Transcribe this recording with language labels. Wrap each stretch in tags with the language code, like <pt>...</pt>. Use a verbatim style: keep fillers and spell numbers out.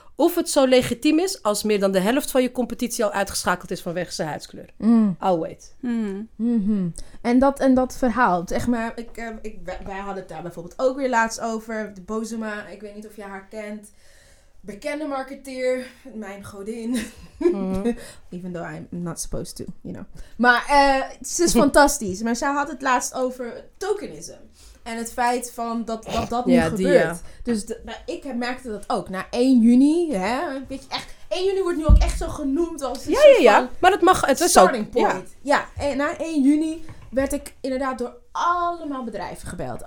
<nl>of het zo legitiem is... als meer dan de helft van je competitie al uitgeschakeld is... vanwege zijn huidskleur. Mm.</nl> <en>I'll wait.</en> <nl>Mm. Mm-hmm. En, dat, en dat verhaal. Zeg maar, ik, uh, ik, wij hadden het daar bijvoorbeeld ook weer laatst over. De Bozema, ik weet niet of je haar kent. Bekende marketeer. Mijn godin. Mm.</nl> <en>Even though I'm not supposed to, you know.</en> <nl>Maar uh, ze is fantastisch. Maar zij had het laatst over tokenisme. En het feit van dat dat, dat nu ja, gebeurt. Die, ja. Dus de, nou, ik merkte dat ook. Na één juni, hè, een beetje echt... één juni wordt nu ook echt zo genoemd als ja, ja, ja. Maar het mag, het is ook...</nl> <en>starting point.</en> <nl>Ja, ja, en na één juni werd ik inderdaad door allemaal bedrijven gebeld.</nl>